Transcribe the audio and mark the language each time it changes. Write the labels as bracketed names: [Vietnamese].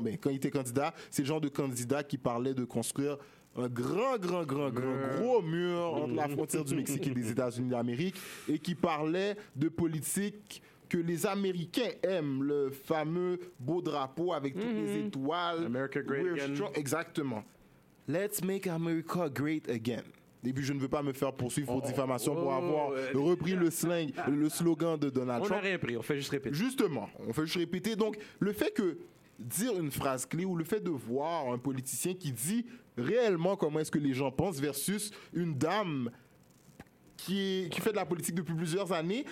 [French] Mais quand il était candidat, c'est le genre de candidat qui parlait de construire un gros mur entre la frontière du Mexique et des États-Unis d'Amérique et qui parlait de politique que les Américains aiment, le fameux beau drapeau avec toutes les étoiles. [English] America great again. [French] Exactement. [English] Let's make America great again. [French] Et puis, je ne veux pas me faire poursuivre pour diffamation pour avoir repris le slang, le slogan de Donald Trump. On n'a rien pris, on fait juste répéter. Justement, on fait juste répéter. Donc, le fait que dire une phrase clé ou le fait de voir un politicien qui dit réellement comment est-ce que les gens pensent versus une dame qui fait de la politique depuis plusieurs années.